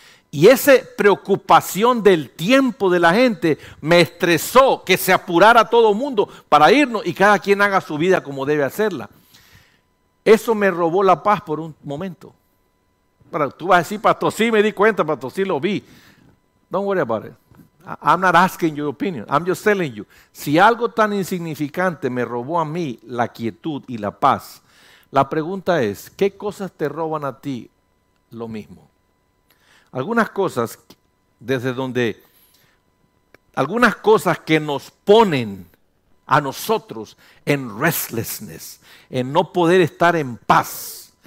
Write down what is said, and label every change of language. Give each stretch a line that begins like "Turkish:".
Spanish: Y esa preocupación del tiempo de la gente me estresó que se apurara todo mundo para irnos y cada quien haga su vida como debe hacerla. Eso me robó la paz por un momento. Pero tú vas a decir, pastor, sí me di cuenta, pastor, sí lo vi.
English: Don't worry about it. I'm not asking your opinion, I'm just telling you.
Spanish: Si algo tan insignificante me robó a mí la quietud y la paz, la pregunta es, ¿qué cosas te roban a ti lo mismo? Algunas cosas que nos ponen a nosotros en restlessness, en no poder estar en paz.